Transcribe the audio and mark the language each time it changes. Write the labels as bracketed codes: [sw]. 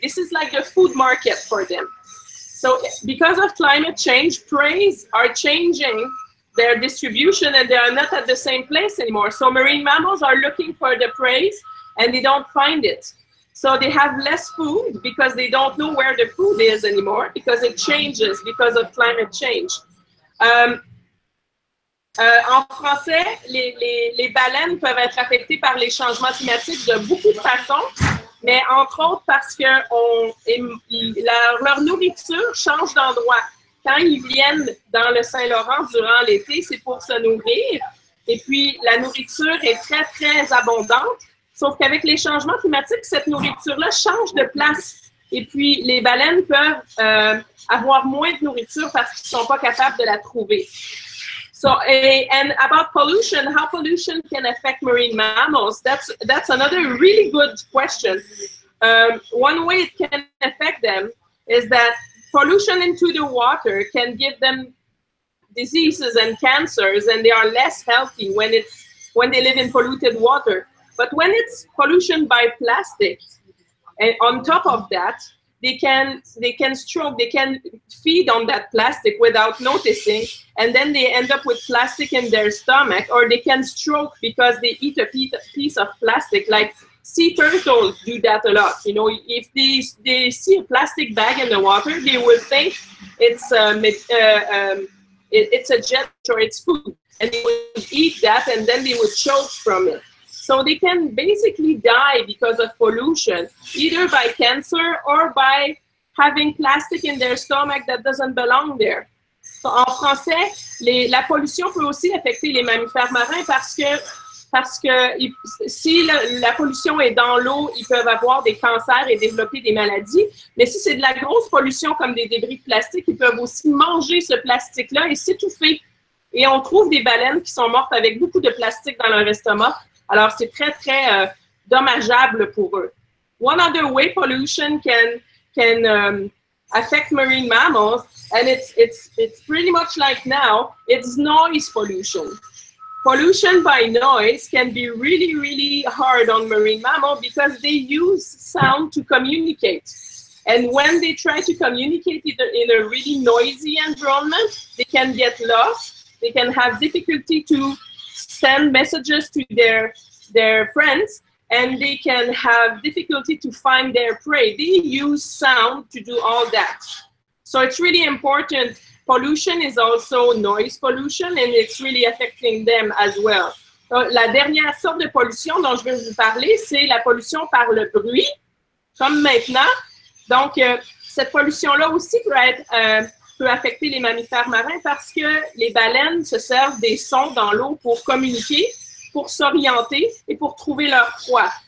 [en] This is like a food market for them. So because of climate change, preys are changing their distribution and they are not at the same place anymore. So marine mammals are looking for the preys and they don't find it. So they have less food because they don't know where the food is anymore because it changes because of climate change. [fr] En français, les baleines peuvent être affectées par les changements climatiques de beaucoup de façons. Mais entre autres parce que leur nourriture change d'endroit. Quand ils viennent dans le Saint-Laurent durant l'été, c'est pour se nourrir. Et puis la nourriture est très, très abondante. Sauf qu'avec les changements climatiques, cette nourriture-là change de place. Et puis les baleines peuvent avoir moins de nourriture parce qu'ils ne sont pas capables de la trouver. [en] So, and about pollution, how pollution can affect marine mammals, that's another really good question. One way it can affect them is that pollution into the water can give them diseases and cancers, and they are less healthy when they live in polluted water. But when it's pollution by plastic, and on top of that, they can stroke, they can feed on that plastic without noticing, and then they end up with plastic in their stomach, or they can stroke because they eat a piece of plastic, like sea turtles do that a lot. You know, if they see a plastic bag in the water, they will think it's a jet or it's food, and they will eat that, and then they will choke from it. So they can basically die because of pollution, either by cancer or by having plastic in their stomach that doesn't belong there. [fr] So en français, la pollution peut aussi affecter les mammifères marins parce que si la pollution est dans l'eau, ils peuvent avoir des cancers et développer des maladies. Mais si c'est de la grosse pollution comme des débris de plastique, ils peuvent aussi manger ce plastique-là et s'étouffer. Et on trouve des baleines qui sont mortes avec beaucoup de plastique dans leur estomac. Alors, c'est très, très dommageable pour eux. [en] One other way pollution can affect marine mammals, and it's pretty much like now, it's noise pollution. Pollution by noise can be really, really hard on marine mammals because they use sound to communicate. And when they try to communicate in a really noisy environment, they can get lost. They can have difficulty to send messages to their friends, and they can have difficulty to find their prey. They use sound to do all that. So it's really important. Pollution is also noise pollution, and it's really affecting them as well. [fr] Donc, la dernière sorte de pollution dont je vais vous parler, c'est la pollution par le bruit, comme maintenant. Donc, cette pollution-là aussi peut affecter les mammifères marins parce que les baleines se servent des sons dans l'eau pour communiquer, pour s'orienter et pour trouver leur proie.